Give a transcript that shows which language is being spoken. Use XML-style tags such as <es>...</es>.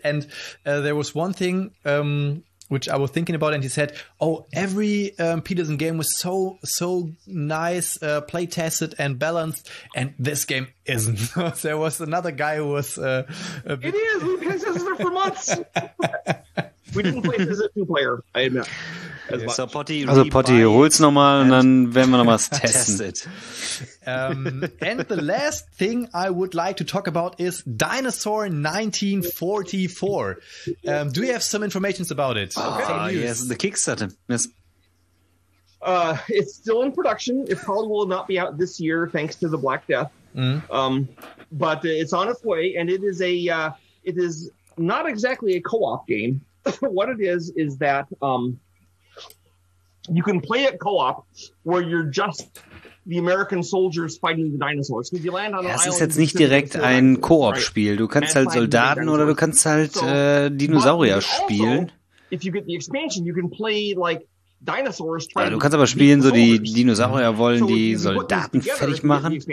<en>And there was one thing... which I was thinking about, and he said, oh, every Peterson game was so nice, play tested and balanced, and this game isn't. There was another guy who was... it is! We played Peterson for months! We didn't play it as a two-player, I admit.</en> <de>So Potty, hol's nochmal, und dann werden wir nochmal testen.</de> <en>and the last thing I would like to talk about is Dinosaur 1944. Do you have some information about it? Yes, the Kickstarter. Yes. It's still in production. It probably will not be out this year, thanks to the Black Death. Mm. But it's on its way, and it is not exactly a co-op game. What it is that you can play it co-op where you're just the American soldiers fighting the dinosaurs.</en> <de>Das ist jetzt nicht direkt ein Koop-Spiel. Du kannst halt Soldaten oder du kannst halt Dinosaurier spielen.</de> <en>Also, if you get the expansion, you can play like dinosaurs.</en> <de>Ja, du kannst aber spielen, so die Dinosaurier wollen die Soldaten fertig machen.</de>